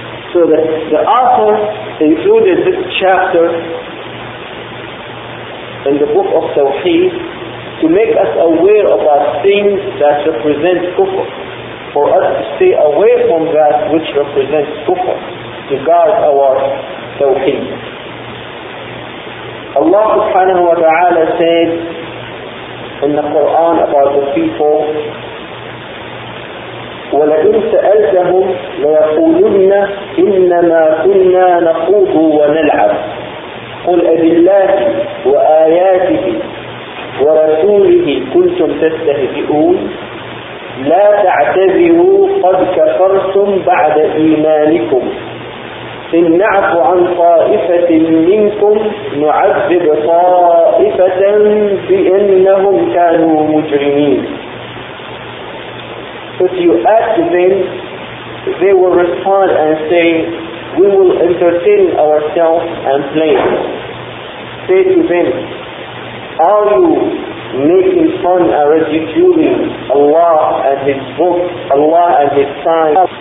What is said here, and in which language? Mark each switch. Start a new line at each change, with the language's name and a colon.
English: So the author included this chapter in the book of Tawheed to make us aware about things that represent kufr, for us to stay away from that which represents kufr, to guard our Tawheed. Allah subhanahu wa ta'ala said in the Quran about the people,
Arabic: وَلَئِنْ سَأَلْتَهُمْ لَيَقُولُنَّ إِنَّمَا كُنَّا نَخُوضُ وَنَلْعَبُ قُلْ أَبِاللَّهِ وَآيَاتِهِ وَرَسُولِهِ كُنْتُمْ تَسْتَهْزِئُونَ لَا تَعْتَذِرُوا قَدْ كَفَرْتُمْ بَعْدَ إِيمَانِكُمْ إِنْ نَعْفُ عَنْ طَائِفَةٍ مِّنْكُمْ نُعَذِّبْ طَائِفَةً بِأَنَّهُمْ كَانُوا مُجْرِمِينَ.
English: If you ask them, they will respond and say, we will entertain ourselves and play. Say to them, are you making fun and ridiculing Allah and His Book, Allah and His Sign.